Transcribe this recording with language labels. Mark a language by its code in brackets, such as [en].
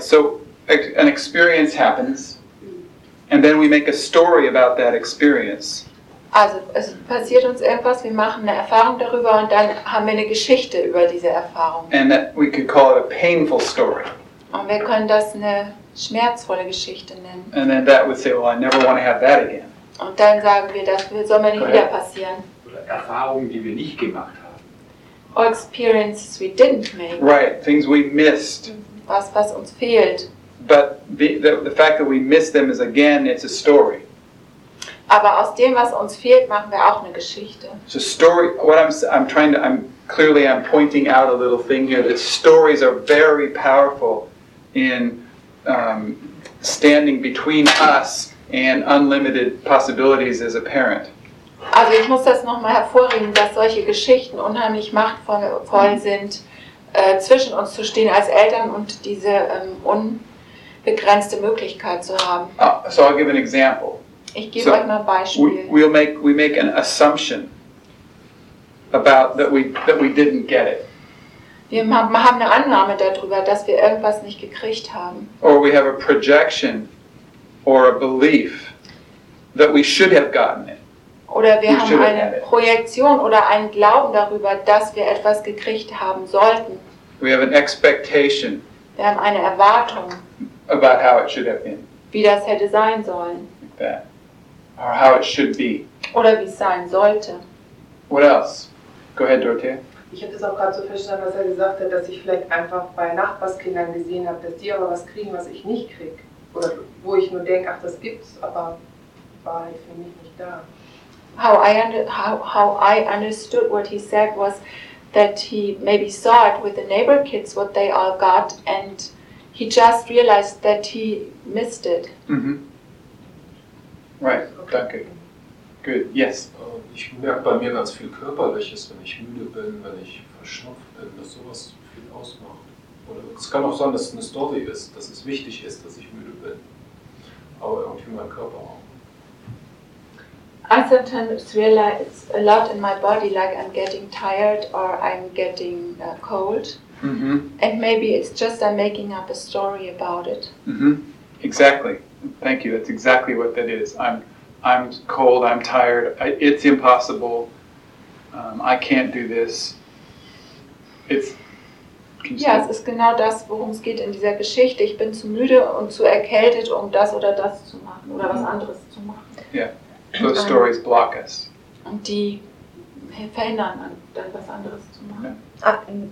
[en] So, an experience happens, and then we make a story about that experience. [de] Also es passiert uns etwas, wir machen eine Erfahrung darüber und dann haben wir eine Geschichte über diese Erfahrung. [en] And that we could call it a painful story. [de] Und wir können das eine schmerzvolle Geschichte nennen. [en] And then that would say, well, I never want to have that again. [de] Und dann sagen wir, das soll mir nicht wieder passieren. Oder Erfahrungen, die wir nicht gemacht haben. [en] Or experiences we didn't make. Right, things we missed. [de] Was uns fehlt. [en] But the fact that we miss them is again, it's a story. [de] Aber aus dem, was uns fehlt, machen wir auch eine Geschichte. [en] So story, what I'm pointing out a little thing here, that stories are very powerful in standing between us and unlimited possibilities as a parent. [de] Also ich muss das nochmal hervorheben, dass solche Geschichten unheimlich machtvoll sind, zwischen uns zu stehen als Eltern und diese unbegrenzte Möglichkeit zu haben. [en] So I'll give an example. [de] Ich gebe euch mal ein Beispiel. [en] We make an assumption about that we didn't get it. [de] Wir haben eine Annahme darüber, dass wir irgendwas nicht gekriegt haben. [en] Or we have a projection or a belief that we should have gotten it. [de] Oder wir haben eine Projektion oder einen Glauben darüber, dass wir etwas gekriegt haben sollten. [en] We have an expectation. [de] Wir haben eine Erwartung. [en] About how it should have been. [de] Wie das hätte sein sollen. [en] Like that. Or how it should be. [de] Oder wie es sein sollte. [en] What else? Go ahead, Dorothea. [de] Ich habe das auch gerade so verstanden, was er gesagt hat, dass ich vielleicht einfach bei Nachbarskindern gesehen habe, dass die aber was kriegen, was ich nicht kriege. Oder wo ich nur denke, ach, das gibt's, aber war halt für mich nicht da. [en] How I understood what he said was that he maybe saw it with the neighbor kids, what they all got, and he just realized that he missed it. Mm-hmm. Right, okay. Danke. Good, yes. [de] Ich merke bei mir ganz viel Körperliches, wenn ich müde bin, wenn ich verschnupft bin, dass sowas viel ausmacht. Oder es kann auch sein, dass es eine Story ist, dass es wichtig ist, dass ich müde bin. Aber irgendwie mein Körper auch. [en] I sometimes realize a lot in my body, like I'm getting tired or I'm getting cold. Mm-hmm. And maybe it's just I'm making up a story about it. Mm-hmm. Exactly. Thank you. That's exactly what that is. I'm cold, I'm tired, it's impossible, I can't do this. [de] Es ist genau das, worum es geht in dieser Geschichte. Ich bin zu müde und zu erkältet, um das oder das zu machen oder was anderes zu machen. [en] Yeah, those stories block us. [de] Und die verhindern dann, was anderes zu machen.